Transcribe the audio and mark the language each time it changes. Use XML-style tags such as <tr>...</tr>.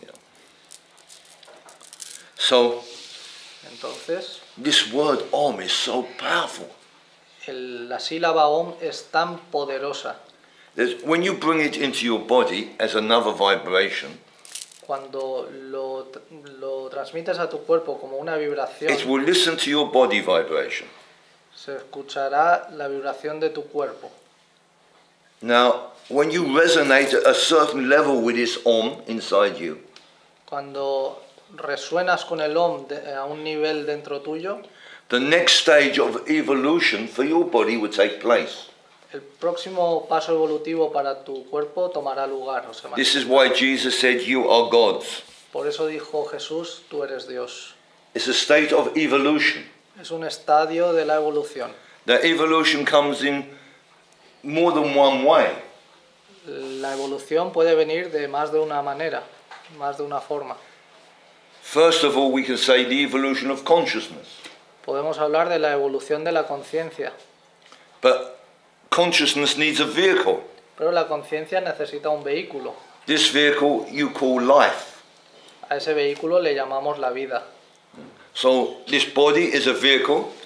<en>Yeah. So,</en> <es>entonces,</es> <en>this word Om is so powerful.</en> <es>La sílaba Om es tan poderosa.</es> <en>When you bring it into your body as another vibration,</en> <es>cuando lo transmites a tu cuerpo como una vibración,</es> <en>it will listen to your body vibration.</en> <es>Se escuchará la vibración de tu cuerpo.</es> <en>Now, when you resonate a certain level with this Om inside you,</en> <es>cuando resuenas con el Om a un nivel dentro tuyo,</es> <en>the next stage of evolution for your body would take place.</en> <es>El próximo paso evolutivo para tu cuerpo tomará lugar. O sea,</es> <en>this is why Jesus said, "You are gods."</en> <es>Por eso dijo Jesús, tú eres Dios.</es> <en>It's a state of evolution.</en> <es>Es un estadio de la evolución.</es> <en>The evolution comes in more than one way.</en> <es>La evolución puede venir de más de una manera, más de una forma.</es> <en>First of all, we can say the evolution of consciousness.</en> <es>Podemos hablar de la evolución de la conciencia.</es> <en>But consciousness needs a vehicle.</en> <es>Pero la conciencia necesita un vehículo.</es> <en>This vehicle you call life.</en> <es>A ese vehículo le llamamos la vida.</es> <en>So this body is a vehicle.</en>